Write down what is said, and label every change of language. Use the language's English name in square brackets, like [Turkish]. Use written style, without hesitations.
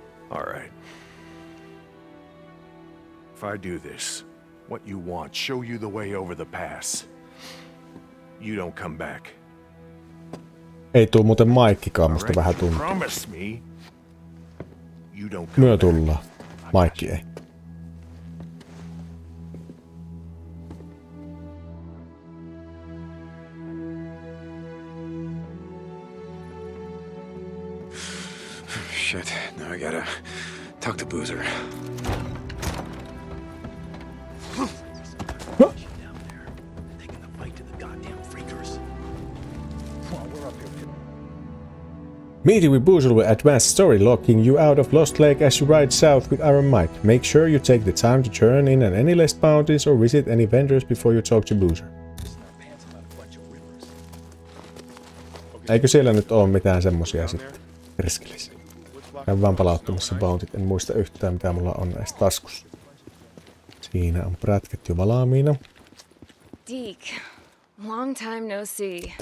[English] All right. If I do this, what you want, show you the way over the pass. You don't come back. [Finnish] Ei tuu muuten Maikkikaan, musta vähän tuntuu. [English] Promise me. You don't come back. [Finnish] Maikki ei. [English] Shit, now I gotta talk to Boozer. Meeting with Boozer will advance the story, locking you out of Lost Lake as you ride south with Iron Mike. Make sure you take the time to turn in at any list bounties or visit any vendors before you talk to Boozer. [Finnish] Eikö siellä nyt ole mitään semmosia sitten? Perskelis. Käyn vaan palauttamassa bountit, en muista yhtään mitä mulla on näissä taskussa. Siinä on prätket jo valmiina. [English] Deke, long time no see.